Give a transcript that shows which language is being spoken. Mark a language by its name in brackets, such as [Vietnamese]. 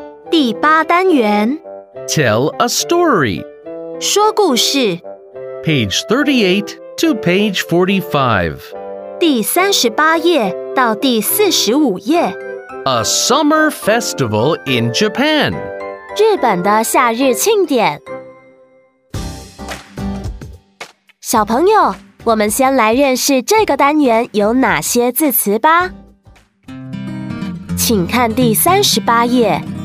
[Chinese] 第八单元 [English] Tell a story [Chinese] 说故事 [English] Page 38 to page 45 [Chinese] 第三十八页到第四十五页 [English] A summer festival in Japan [Chinese] 日本的夏日庆典小朋友我们先来认识这个单元有哪些字词吧请看第三十八页